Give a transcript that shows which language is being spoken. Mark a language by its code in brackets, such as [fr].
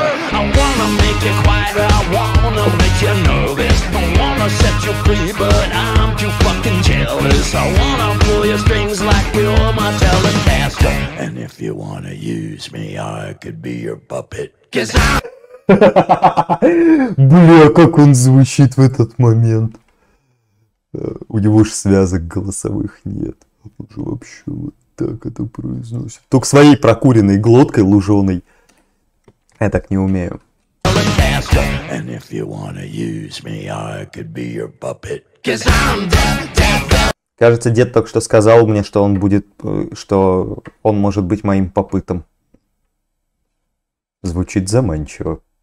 [en] I wanna make you quieter, I wanna make you nervous. I wanna set you free, but I'm too fucking jealous. I wanna pull your strings like you're my telecaster. And if you wanna use me, I could be your puppet. Cause I'm... [ru] Бля, как он звучит в этот момент. У него же связок голосовых нет. Он же вообще вот так это произносит. Только своей прокуренной глоткой луженой. Я так не умею. [en] And if you wanna use me, I could be your puppet. Cause I'm [ru] Кажется, дед только что сказал мне, что он будет, что он может быть моим попытом. Звучит заманчиво.